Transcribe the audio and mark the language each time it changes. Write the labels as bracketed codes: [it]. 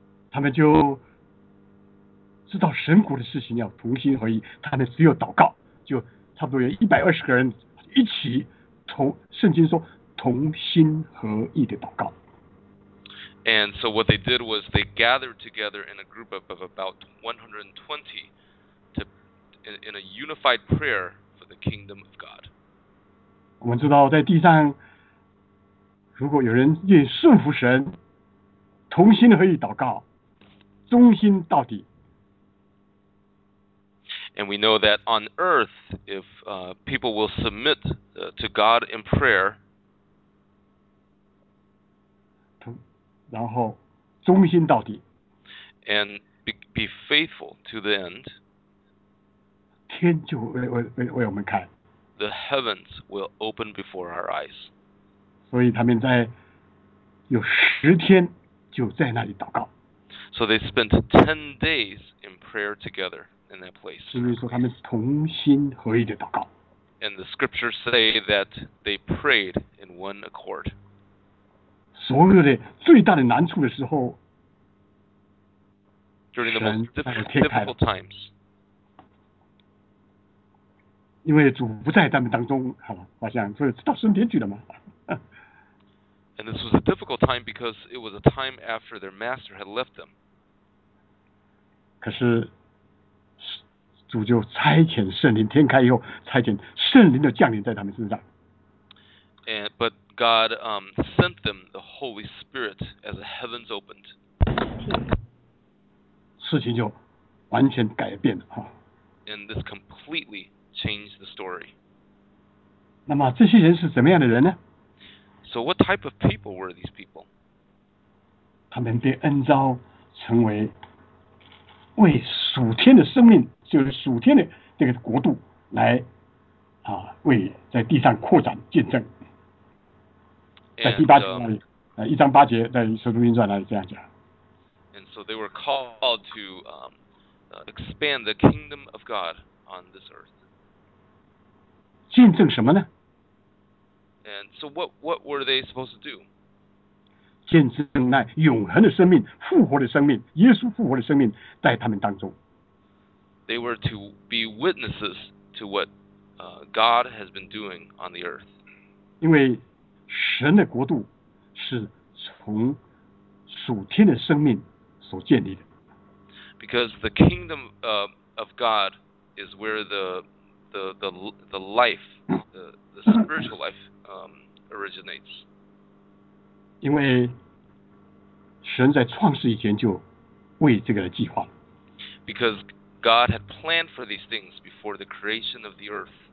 [zh] 他们就知道神国的事情要同心合意，他们只有祷告，就差不多有120个人一起同，圣经说同心合意的祷告。 [en] And so what they did was they gathered together in a group of about 120 to in a unified prayer for the kingdom of God. [zh] 我们知道在地上如果有人愿意顺服神，同心合意祷告，忠心到底。 [en] And we know that on earth, if people will submit to God in prayer, [zh] 然后忠心到底。 [en] And be faithful to the end, [zh] 天就为我们开。 [en] The heavens will open before our eyes. [zh] 所以他们在有十天就在那里祷告。 [en] So they spent 10 days in prayer together in that place. [zh] 所以说他们是同心合意的祷告。 [en] And the scriptures say that they prayed in one accord. [zh] 所有的最大的难处的时候， [en] During the most difficult times. [zh] 因为主不在他们当中，好，我想所以知道升天去了嘛。 [en] And this was a difficult time because it was a time after their master had left them. [zh] 可是主就差遣圣灵，天开以后差遣圣灵的降临在他们身上。 [en] And but God sent them the Holy Spirit as the heavens opened. [zh] 事情就完全改变了哈。 [en] And this completely changed the story. [zh] 那么这些人是怎么样的人呢？ [en] So what type of people were these people? [zh] 他们被恩召成为为属天的生命，就是属天的这个国度来啊，为在地上扩展见证。在第八节那里，一章八节，在《使徒行传》那里这样讲。 [en] And so they were called to expand the kingdom of God on this earth. [zh] 见证什么呢？ [en] And so what were they supposed to do? [zh] 见证那永恒的生命，复活的生命，耶稣复活的生命在他们当中。 [en] They were to be witnesses to what God has been doing on the earth. [zh] 因为神的国度是从属天的生命所建立的。 [en] Because the kingdom of God is where the life, the spiritual life, originates. [zh] 因为神在创世以前就为这个计划。 [en] Because God had planned for these things before the creation of the earth.